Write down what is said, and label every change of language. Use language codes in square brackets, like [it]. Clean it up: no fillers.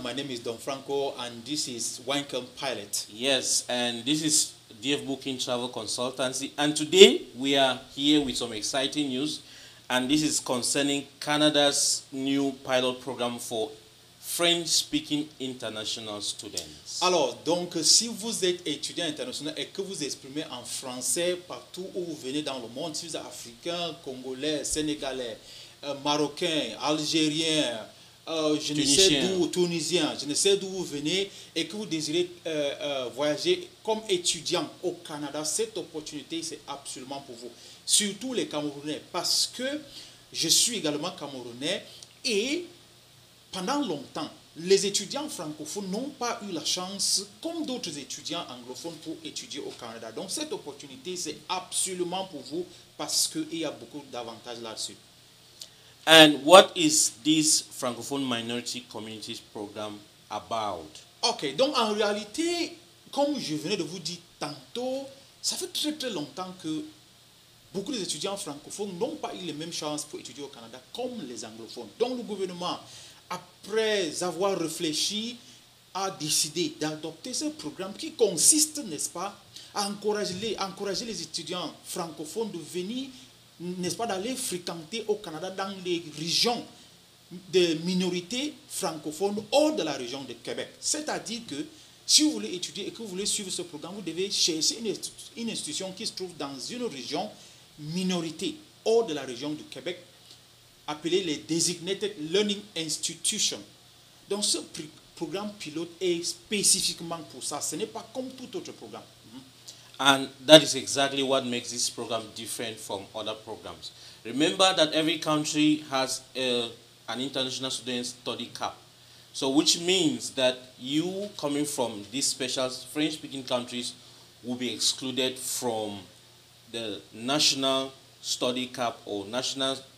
[en] My name is Don Franco and this is Winecomb Pilot. Yes, and this is DF Booking Travel Consultancy. And today we are here with some exciting news. And this is concerning Canada's new pilot program for French-speaking international students. [fr] Alors, donc, si vous êtes étudiant international et que vous exprimez en français partout où vous venez dans le monde, si vous êtes africain, congolais, sénégalais, marocain, algérien, tunisien, je ne sais d'où vous venez et que vous désirez voyager comme étudiant au Canada, cette opportunité, c'est absolument pour vous. Surtout les Camerounais, parce que je suis également Camerounais et pendant longtemps, les étudiants francophones n'ont pas eu la chance, comme d'autres étudiants anglophones, pour étudier au Canada. Donc cette opportunité, c'est absolument pour vous parce qu'il y a beaucoup d'avantages là-dessus. And what is this Francophone Minority Communities Program about? Ok, donc en réalité, comme je venais de vous dire tantôt, ça fait très très longtemps que beaucoup d'étudiants francophones n'ont pas eu les mêmes chances pour étudier au Canada comme les anglophones. Donc le gouvernement, après avoir réfléchi, a décidé d'adopter ce programme qui consiste, n'est-ce pas, à encourager les étudiants francophones de venir, n'est-ce pas, d'aller fréquenter au Canada dans les régions de minorités francophones hors de la région de Québec. C'est-à-dire que si vous voulez étudier et que vous voulez suivre ce programme, vous devez chercher une institution qui se trouve dans une région minorité hors de la région du Québec, appelée les Designated Learning Institutions. Donc ce programme pilote est spécifiquement pour ça. Ce n'est pas comme tout autre programme. [en] And that is exactly what makes this program different from other programs. Remember that every country has an international student study cap. So which means that you coming from these special French-speaking countries will be excluded from the national study cap or national...